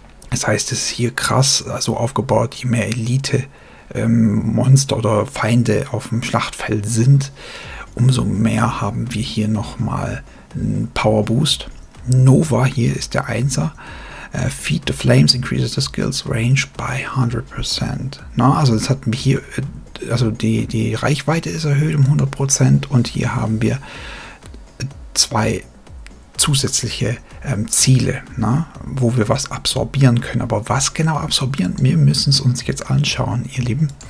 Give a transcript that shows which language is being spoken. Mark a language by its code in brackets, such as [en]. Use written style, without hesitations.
[de] Das heißt, es ist hier krass so also aufgebaut, je mehr Elite Monster oder Feinde auf dem Schlachtfeld sind, umso mehr haben wir hier nochmal einen Power Boost. Nova, hier ist der Einser. [en] Feed the Flames increases the skills range by 100%. [de] Na, also das hatten wir hier. Also die Reichweite ist erhöht um 100% und hier haben wir zwei zusätzliche Ziele, na, wo wir was absorbieren können. Aber was genau absorbieren? Wir müssen es uns jetzt anschauen, ihr Lieben.